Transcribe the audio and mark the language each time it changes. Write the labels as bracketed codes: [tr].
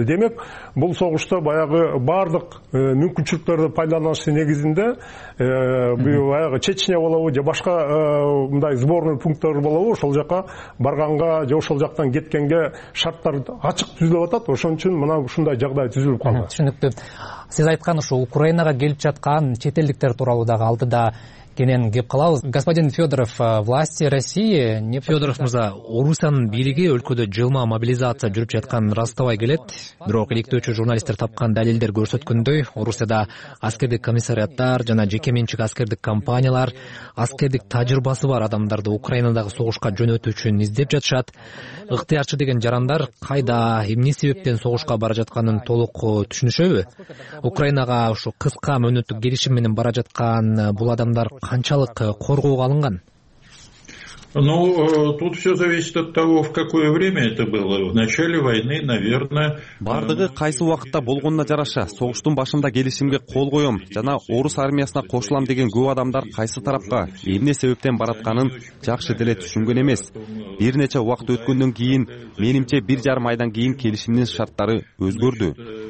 [ky] Демек бул согушта баягы баардык мүмкүнчүлүктөрдү пайдаланышы негизинде баягы Чечня болобу же башка мындай сборный пункттор болобу, ошол жака барганга же ошол жактан кеткенге шарттар ачык түзүлүп атат. Ошон үчүн мына ушундай жагдай түзүлүп калды. Сиз айткан ушу Украинага келип жаткан чет элдиктер тууралуу дагы алдыда кенен кеп калабыз. [ru] Господин Федоров, власти России не... [ky] Федоров мырза, Орусиянын бийлиги өлкөдө жылма мобилизация жүрүп жатканын ырастабай келет. Бирок иликтөөчү журналисттер тапкан далилдер көрсөткөндөй, Орусияда аскердик комиссариаттар жана жеке менчик аскердик компаниялар аскердик тажрыйбасы бар адамдарды Украинадагы согушка жөнөтүү үчүн издеп жатышат. Ыктыярчы деген жарандар кайда, эмне себептен согушка бара жатканын толук түшүнүшөбү? Украинага ушу кыска мөөнөттүк келишим менен бара жаткан бул адамдар канчалык коргоого алынган? [ru] Ну, тут все зависит от того, в какое время это было. В начале войны, наверное... [ky] Бардыгы кайсы убакытта болгонуна жараша, согуштун башында келишимге кол коем, жана орус армиясына кошулам деген көп адамдар кайсы тарапка, эмне себептен баратканын жакшы деле түшүнгөн эмес. Бир нече убакыт өткөндөн кийин, менимче бир жарым айдан кийин келишимдин шарттары өзгөрдү.